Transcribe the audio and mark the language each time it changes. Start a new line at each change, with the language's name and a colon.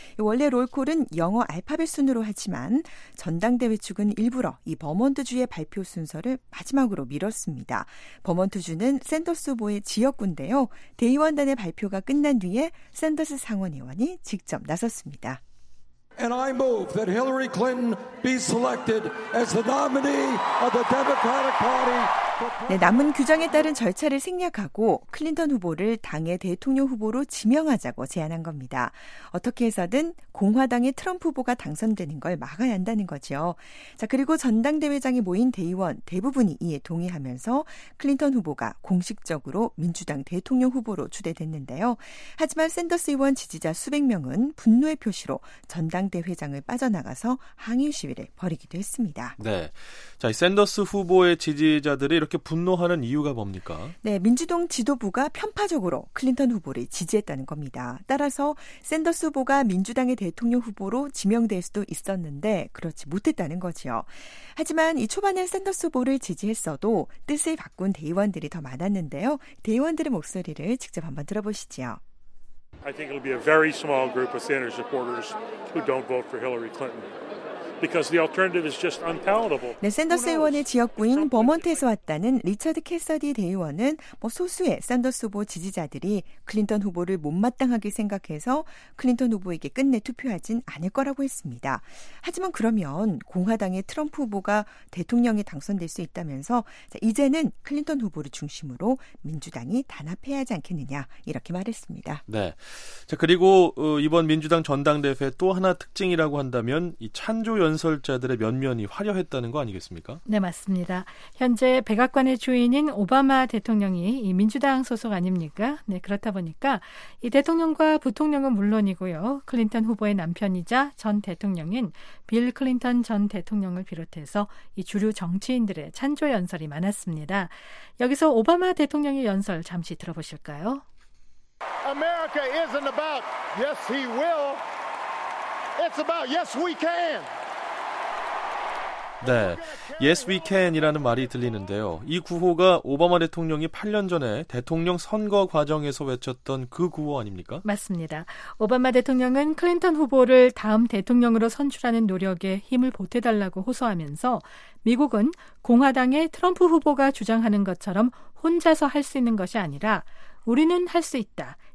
Korean: 원래 롤콜은 영어 알파벳 순으로 하지만 전당대회 측은 일부러 이 버몬트 주의 발표 순서를 마지막으로 미뤘습니다. 버몬트주는 샌더스 후보의 지역구인데요. 대의원단의 발표가 끝난 뒤에 샌더스 상원의원이 직접 나섰습니다.
English: And I move that Hillary Clinton be selected as the nominee of the Democratic Party.
Korean: 네, 남은 규정에 따른 절차를 생략하고 클린턴 후보를 당의 대통령 후보로 지명하자고 제안한 겁니다. 어떻게 해서든 공화당의 트럼프 후보가 당선되는 걸 막아야 한다는 거죠. 자, 그리고 전당대회장에 모인 대의원 대부분이 이에 동의하면서 클린턴 후보가 공식적으로 민주당 대통령 후보로 추대됐는데요. 하지만 샌더스 의원 지지자 수백 명은 분노의 표시로 전당대회장을 빠져나가서 항의 시위를 벌이기도 했습니다. 네. 자, 샌더스 후보의 지지자들이 이렇게 분노하는 이유가 뭡니까? 네, 민주당 지도부가 편파적으로 클린턴 후보를 지지했다는 겁니다. 따라서 샌더스 후보가 민주당의 대통령 후보로 지명될 수도 있었는데 그렇지 못했다는 거지요. 하지만 이 초반에 샌더스 후보를 지지했어도 뜻을 바꾼 대의원들이 더 많았는데요. 대의원들의 목소리를 직접 한번 들어보시죠.
English: I think it'll be a very small group of Sanders supporters who don't vote for Hillary Clinton. Because the alternative is just unpalatable.
Korean: 네, 샌더스 의원의 지역구인 버몬트에서 왔다는 리처드 캐서디 대의원은 뭐 소수의 샌더스 후보 지지자들이 클린턴 후보를 못마땅하게 생각해서 클린턴 후보에게 끝내 투표하진 않을 거라고 했습니다. 하지만 그러면 공화당의 트럼프 후보가 대통령에 당선될 수 있다면서 이제는 클린턴 후보를 중심으로 민주당이 단합해야 하지 않겠느냐 이렇게 말했습니다. 네. 자, 그리고 이번 민주당 전당대회 또 하나 특징이라고 한다면 이 찬조 연설자들의 면면이 화려했다는 거 아니겠습니까? 네, 맞습니다. 현재 백악관의 주인인 오바마 대통령이 이 민주당 소속 아닙니까? 네, 그렇다 보니까 이 대통령과 부통령은 물론이고요. 클린턴 후보의 남편이자 전 대통령인 빌 클린턴 전 대통령을 비롯해서 이 주류 정치인들의 찬조 연설이 많았습니다. 여기서 오바마 대통령의 연설 잠시 들어보실까요?
English: America isn't about yes he will. It's about yes we can.
Korean: 네.
English: Yes, we can
Korean: 이라는 말이 들리는데요. 이 구호가 오바마 대통령이 8년 전에 대통령 선거 과정에서 외쳤던 그 구호 아닙니까? 맞습니다. 오바마 대통령은 클린턴 후보를 다음 대통령으로 선출하는 노력에 힘을 보태달라고 호소하면서 미국은 공화당의 트럼프 후보가 주장하는 것처럼 혼자서 할 수 있는 것이 아니라 우리는 할 수 있다.